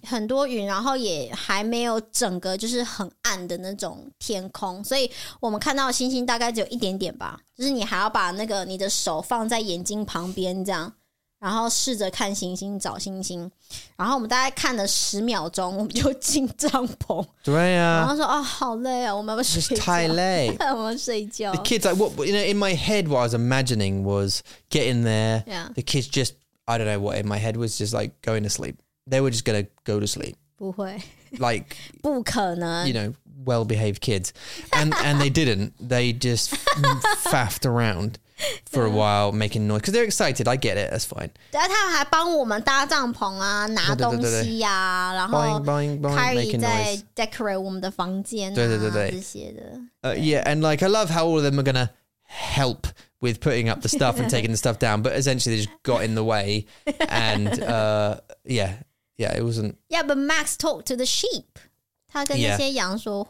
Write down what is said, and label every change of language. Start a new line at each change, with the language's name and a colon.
Chinese: 很多云，然后也还没有整个就是很暗的那种天空，所以我们看到星星大概只有一点点吧。就是你还要把那个你的手放在眼睛旁边这样，然后试着看星星找星星，然后我们大概看了十秒钟，我们就进帐篷。对呀、啊，然后说哦，好累啊，我们要睡觉。太累，我们要睡觉。
English: The kids, like, what you know, in my head, what I was imagining was getting there. Yeah. The kids just, I don't know what in my head was just like going to sleep. They were just gonna go to sleep.
Chinese: 不会。
English: Like.
Chinese: 不可能。
English: You know. Well-behaved kids, and they didn't. They just faffed around for a while, making noise because they're excited. I get it. That's fine.
Chinese: 对，他还帮我们搭帐篷啊，拿东西啊，然后
English: buying,
Chinese: 在 decorate 我们的房间啊，对这些的。
English: Yeah, and like I love how all of them are gonna help with putting up the stuff and taking the stuff down, but essentially they just got in the way, and yeah, it wasn't. Yeah, but Max talked to the sheep.
Chinese: 他跟那些羊说话